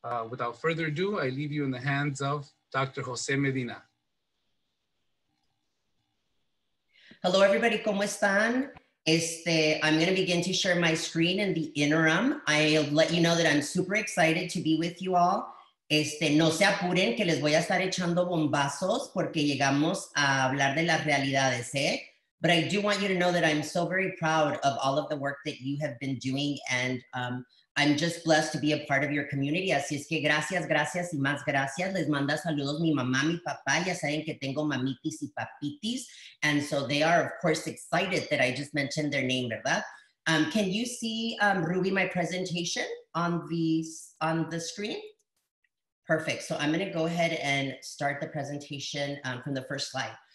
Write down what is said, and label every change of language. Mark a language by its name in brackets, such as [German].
[English] Without further ado, I leave you in the hands of Dr. Jose Medina. Hello, everybody. [Spanish] ¿Cómo están? [English] I'm going to begin to share my screen in the interim. I'll let you know that I'm super excited to be with you all. [Spanish] No se apuren que les voy a estar echando bombazos porque llegamos a hablar de las realidades, ¿eh? [English] But I do want you to know that I'm so very proud of all of the work that you have been doing, and I'm just blessed to be a part of your community. [Spanish] Así es que gracias, gracias y más gracias. Les manda saludos mi mamá, mi papá. Ya saben que tengo mamitis y papitis. [English] And so they are, of course, excited that I just mentioned their name, ¿verdad? Can you see, Ruby, my presentation on the screen? Perfect. So I'm going to go ahead and start the presentation from the first slide.